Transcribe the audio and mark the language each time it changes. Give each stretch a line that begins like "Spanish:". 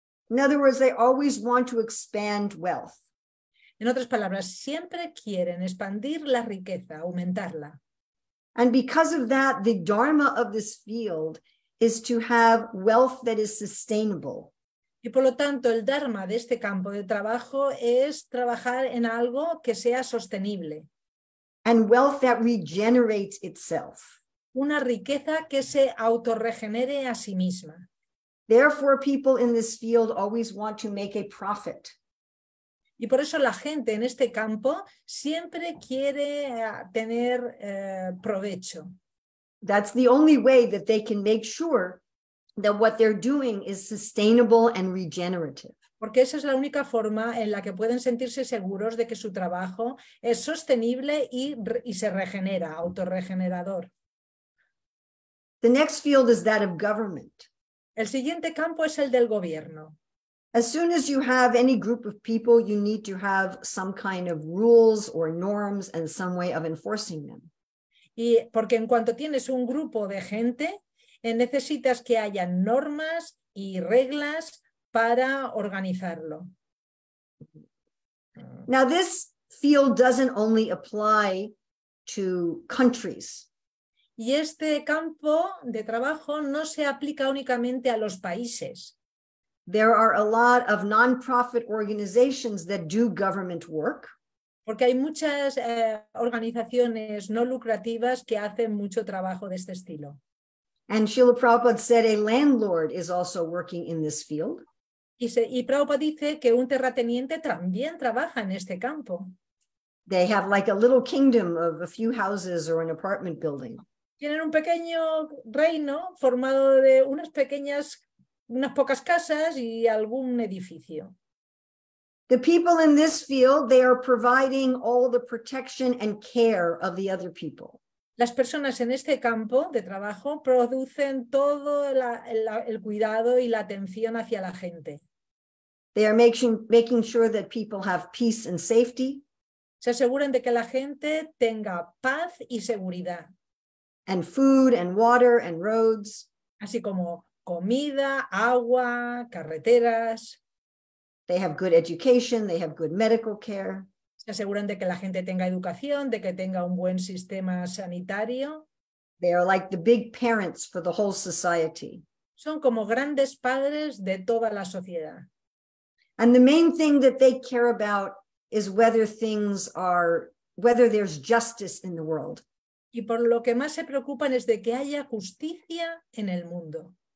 English: In other words, they always want to expand wealth.
Spanish: En otras palabras, siempre quieren expandir la riqueza, aumentarla.
English: And because of that, the dharma of this field is to have wealth that is sustainable.
Spanish: Y por lo tanto, el dharma de este campo de trabajo es trabajar en algo que sea sostenible.
English: And wealth that regenerates itself.
Spanish: Una riqueza que se autorregenere a sí misma.
English: Therefore, people in this field always want to make a profit.
Spanish: Y por eso la gente en este campo siempre quiere tener provecho.
English: That's the only way that they can make sure that what they're doing is sustainable and regenerative.
Spanish: Porque esa es la única forma en la que pueden sentirse seguros de que su trabajo es sostenible y se regenera, autorregenerador.
English: The next field is that of government.
Spanish: El siguiente campo es el del gobierno.
English: As soon as you have any group of people, you need to have some kind of rules or norms and some way of enforcing them.
Spanish: Y porque en cuanto tienes un grupo de gente, necesitas que haya normas y reglas para organizarlo.
English: Now, this field doesn't only apply to countries.
Spanish: Y este campo de trabajo no se aplica únicamente a los países.
English: There are a lot of non-profit organizations that do government work.
Spanish: Porque hay muchas organizaciones no lucrativas que hacen mucho trabajo de este estilo.
English: And Srila Prabhupada said a landlord is also working in this field.
Spanish: Y Prabhupada dice que un terrateniente también trabaja en este campo.
English: They have like a little kingdom of a few houses or an apartment building.
Spanish: Tienen un pequeño reino formado de unas pocas casas y algún edificio.
English: The people in this field, they are providing all the protection and care of the other people.
Spanish: Las personas en este campo de trabajo producen todo el cuidado y la atención hacia la gente.
English: They are making sure that people have peace and safety.
Spanish: Se aseguran de que la gente tenga paz y seguridad.
English: And food and water and roads.
Spanish: Así como comida, agua, carreteras.
English: They have good education, they have good medical care.
Spanish: Se aseguran de que la gente tenga educación, de que tenga un buen sistema sanitario.
English: They are like the big parents for the whole society.
Spanish: Son como grandes padres de toda la sociedad.
English: And the main thing that they care about is whether there's justice in the world.
Spanish: Y por lo que más se preocupan es de que haya justicia en el mundo.